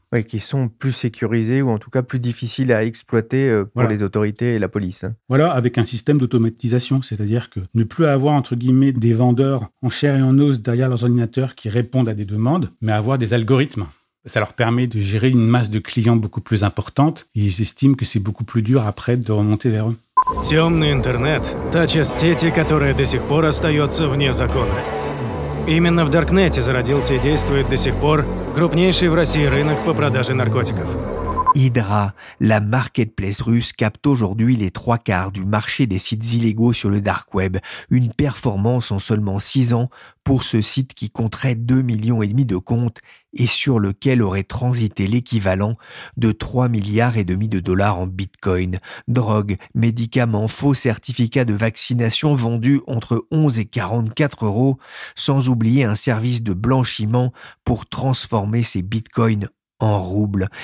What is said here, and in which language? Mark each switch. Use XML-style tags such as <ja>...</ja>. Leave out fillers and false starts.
<fr>Oui, qui sont plus sécurisés ou en tout cas plus difficiles à exploiter pour les autorités et la police. Voilà, avec un système d'automatisation, c'est-à-dire que ne plus avoir, entre guillemets, des vendeurs en chair et en os derrière leurs ordinateurs qui répondent à des demandes, mais avoir des algorithmes. Ça leur permet de gérer une masse de clients beaucoup plus importante et ils estiment que c'est beaucoup plus dur après de remonter vers eux.</fr> <ru>Темный интернет – та часть сети, которая до сих пор остается вне закона. Именно в Даркнете зародился и действует до сих пор крупнейший в России рынок по продаже наркотиков.</ru> <fr>Hydra, la marketplace russe, capte aujourd'hui les trois quarts du marché des sites illégaux sur le dark web. Une performance en seulement 6 ans pour ce site qui compterait 2,5 millions de comptes et sur lequel aurait transité l'équivalent de 3,5 milliards de dollars en bitcoin, drogue, médicaments, faux certificats de vaccination vendus entre 11 et 44 euros, sans oublier un service de blanchiment pour transformer ces bitcoins en rouble.</fr>